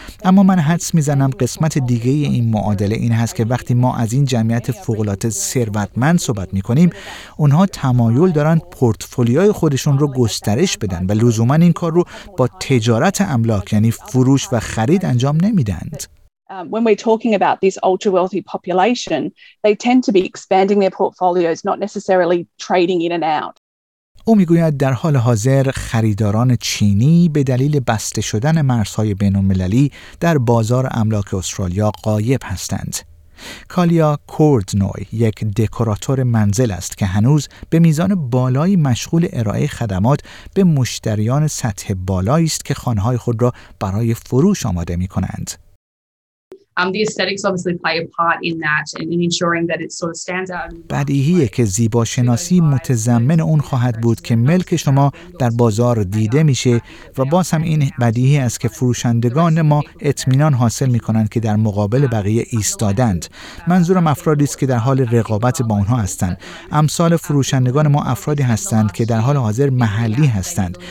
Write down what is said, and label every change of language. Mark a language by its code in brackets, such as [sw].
[fa] اما من حدس می زنم قسمت دیگه این معادله این هست که وقتی ما از این جمعیت فوق‌العاده ثروتمند صحبت می کنیم، اونها تمایل دارند پورتفولیوی خودشون رو گسترش بدن و لزوما این کار رو با تجارت املاک یعنی فروش و خرید انجام نمیدند. [en] When we're talking about this ultra wealthy population, they tend to be expanding their portfolios, not necessarily trading in and out. [fa] او میگوید در حال حاضر خریداران چینی به دلیل بسته شدن مرزهای بین‌المللی در بازار املاک استرالیا غایب هستند. کالیا کوردنوی یک دکوراتور منزل است که هنوز به میزان بالایی مشغول ارائه خدمات به مشتریان سطح بالایی است که خانه‌های خود را برای فروش آماده می‌کنند. [en] The aesthetics obviously play a part in that and in ensuring that it sort of stands out. [fa] بدیهیه که زیباشناسی متضمن اون خواهد بود که ملک شما در بازار دیده میشه و باز هم این بدیهی است که فروشندگان ما اطمینان حاصل میکنند که در مقابل بقیه ایستادند. منظورم افرادی است که در حال رقابت با اونها هستند. امثال فروشندگان ما افرادی هستند که در حال حاضر محلی هستند.